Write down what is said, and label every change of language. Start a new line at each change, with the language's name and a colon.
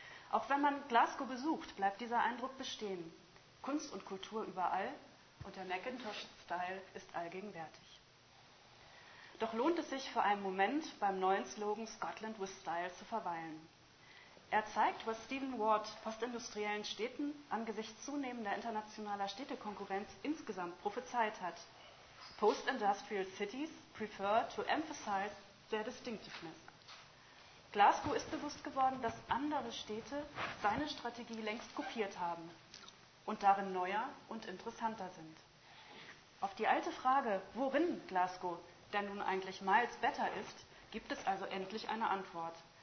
German: Auch wenn man Glasgow besucht, bleibt dieser Eindruck bestehen. Kunst und Kultur überall und der McIntosh-Style ist allgegenwärtig. Doch lohnt es sich für einen Moment beim neuen Slogan Scotland with Style zu verweilen. Er zeigt, was Stephen Ward postindustriellen Städten angesichts zunehmender internationaler Städtekonkurrenz insgesamt prophezeit hat.
English: Post-industrial cities prefer to emphasize their distinctiveness.
German: Glasgow ist bewusst geworden, dass andere Städte seine Strategie längst kopiert haben und darin neuer und interessanter sind. Auf die alte Frage, worin Glasgow denn nun eigentlich miles better ist, gibt es also endlich eine Antwort.